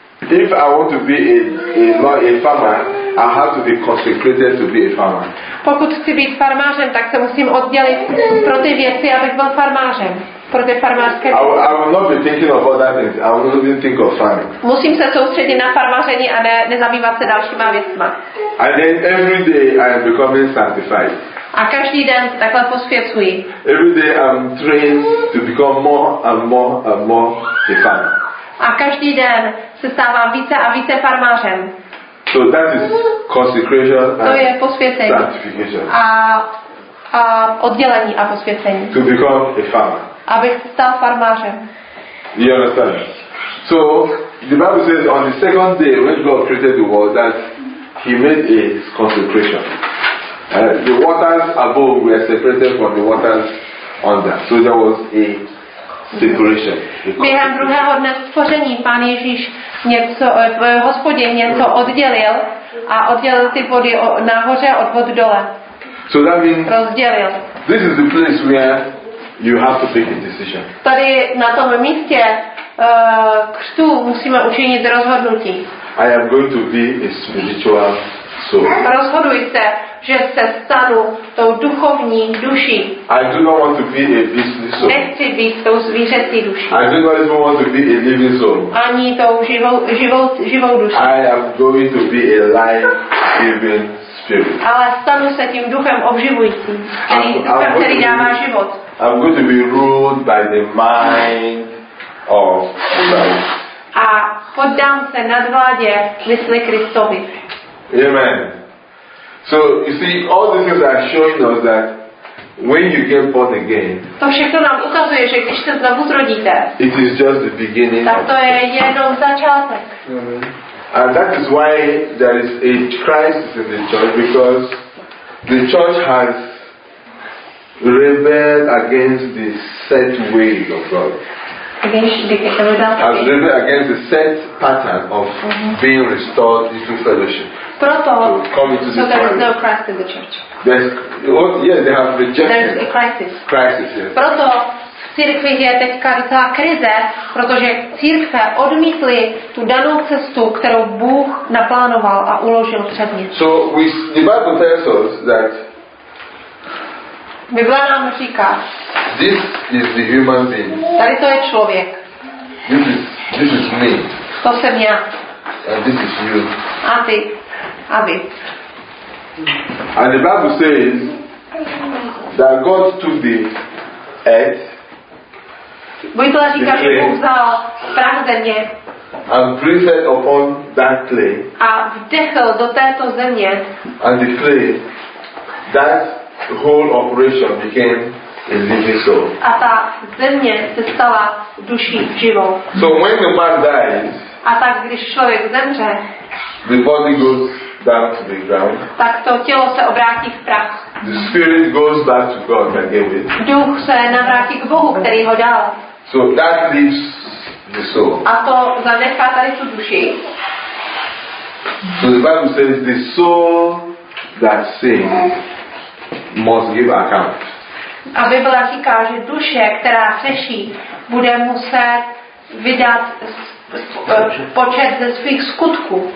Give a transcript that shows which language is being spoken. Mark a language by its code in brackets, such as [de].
[en] If I want to be a farmer, I have to be consecrated to be a farmer. [cs] Pokud chci být farmářem, tak se musím oddělit pro ty věci, abych byl farmářem. Pro ty farmářské [en] věci. I will not be thinking of other things. I will not even think of farming. [cs] Musím se soustředit na farmáření a nezabývat se dalšíma věcma. [en] And then every day I am becoming sanctified. [cs] A každý den takhle posvěcuji. [en] Every day I am trained to become more and more and more a farmer. [cs] A každý den se stávám více a více farmářem. [en] So that is consecration and [cs] to je posvěcení a oddělení a posvěcení. [en] To become a farmer. [cs] Abych se stal farmářem. [en] You understand? So the Bible says on the second day when God created the world that he made a consecration. The waters above were separated from the waters under. So there was a separation. [cs] Během druhého dne stvoření Pán Ježíš něco, Hospodin něco oddělil a oddělil ty vody nahoře od vod dole. [en] So that means [cs] rozdělil. [en] This is the place where you have to make a decision. [cs] Tady na tom místě křtu musíme učinit rozhodnutí. [en] I am going to be a spiritual soul. [cs] Rozhodujte, že se stanu tou duchovní duší. [en] I do not want to be a beastly soul. [cs] Nechci být tou zvířecí duší. [en] I do not even want to be a living soul. [cs] Ani tou živou duší. [en] I am going to be a life-giving spirit. [cs] Ale stanu se tím duchem obživujícím, který dává život. [en] I'm going to be ruled by the mind of Christ. [cs] A poddám se nadvládě mysli Kristovi. Amen. [en] So you see, all these things are showing us that when you get born again, [cs] to všechno nám ukazuje, že když se znovu zrodíte, [en] it is just the beginning. [cs] Tak to je jenom začátek. [en] And that is why there is a crisis in the church because the church has rebelled against the set way of God. Has rebelled against the set pattern of being restored into fellowship. [cs] Proto, [en] so there is no Christ in the church. There's, yes, they have rejected. There's a crisis. Crisis, yes. [cs] Proto církvi je teďka docela krize, protože církve odmítly tu danou cestu, kterou Bůh naplánoval a uložil před ní. [en] So the Bible tells us that [cs] Bible nám říká, [en] this is the human being. [cs] Tady to je člověk. [en] This is me. [cs] To jsem já. [en] And this is you. [cs] A ty. A vy. [en] And the Bible says that God took the earth. [cs] Bible říká, že Bůh vzal prach země. [en] And breathed upon that clay. [cs] A vdechl do této země. [en] And the clay, that whole operation became a living soul. [cs] A ta země se stala duší živou. [en] So when the man dies. [cs] A tak když člověk zemře. [en] The body goes back to the ground. [cs] Tak to tělo se obrátí v prach. [en] The spirit goes back to God that gave it. [cs] Duch se navrátí k Bohu, který ho dal. [en] So that leaves the soul. [cs] A to zanechá tady tu duši. [en] So the Bible says the soul that sins must give account. [cs] A Bible říká, že duše, která hřeší, bude muset vydat počet ze svých skutků.